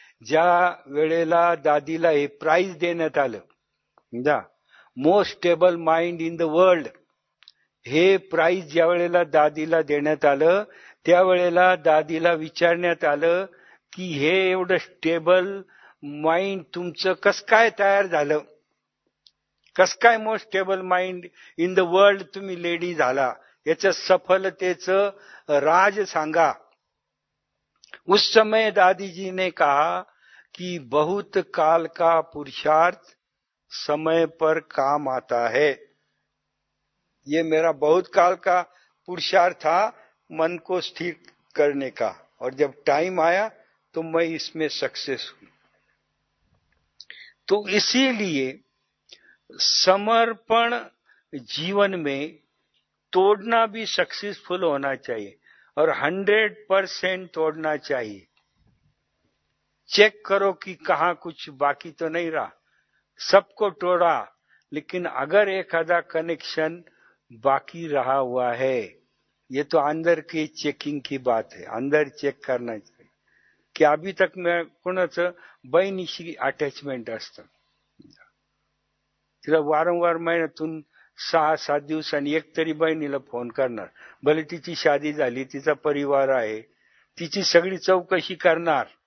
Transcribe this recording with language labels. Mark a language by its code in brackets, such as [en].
[mr] ज्या वेळेला दादीला हे प्राइज देण्यात आलं, most stable mind in the world हे प्राइज ज्या वेळेला दादीला देण्यात आलं, त्यावेळेला दादीला विचारण्यात आलं की हे एवढं स्टेबल माइंड तुमचं कस काय तयार झालं, कस काय most stable mind in the world तुम्ही लेडी झाला, याच्या सफलतेचं राज सांगा. [hi] उस समय दादीजी ने कहा कि बहुत काल का पुरुषार्थ समय पर काम आता है. ये मेरा बहुत काल का पुरुषार्थ था मन को स्थिर करने का, और जब टाइम आया तो मैं इसमें सक्सेस हुई. तो इसीलिए समर्पण जीवन में तोड़ना भी सक्सेसफुल होना चाहिए, और 100% तोड़ना चाहिए. चेक करो कि कहां कुछ बाकी तो नहीं रहा, सबको तोड़ा लेकिन अगर एक आधा कनेक्शन बाकी रहा हुआ है, ये तो अंदर के चेकिंग की बात है. अंदर चेक करना चाहिए कि अभी तक मैं कुछ [mr] बहनीशी अटैचमेंट असतं, तिला वारंवार महिन्यातून 6-7 दिवसांनी एक तरी बहिणीला फोन करणार, भले तिची शादी झाली, तिचा परिवार आहे, तिची सगळी चौकशी करणार.